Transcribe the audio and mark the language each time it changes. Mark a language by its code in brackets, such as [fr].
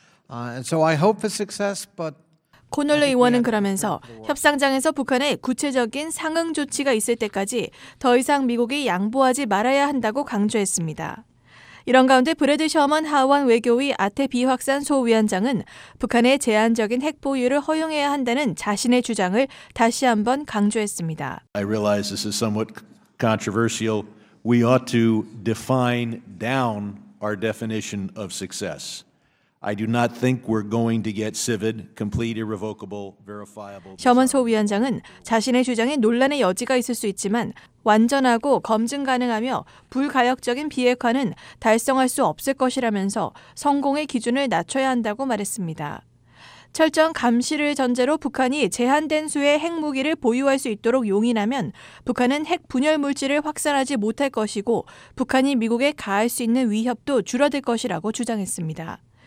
[en] And so I hope for success, but [ko] 코널리 의원은 그러면서 협상장에서 북한의 구체적인 상응 조치가 있을 때까지 더 이상 미국이 양보하지 말아야 한다고 강조했습니다. 이런 가운데 브래드 셔먼 하원 외교위 아태 비확산 소위원장은 북한의 제한적인 핵 보유를 허용해야 한다는 자신의 주장을 다시 한번 강조했습니다. [en] I realize this is somewhat controversial. We ought to define down our definition of success. I do not think we're going to get CIVID, complete, irrevocable, verifiable. [ko] 셔먼 소위원장은 자신의 주장에 논란의 여지가 있을 수 있지만 완전하고 검증 가능하며 불가역적인 비핵화는 달성할 수 없을 것이라면서 성공의 기준을 낮춰야 한다고 말했습니다. 철저한 감시를 전제로 북한이 제한된 수의 핵무기를 보유할 수 있도록 용인하면 북한은 핵 분열 물질을 확산하지 못할 것이고 북한이 미국에 가할 수 있는 위협도 줄어들 것이라고 주장했습니다.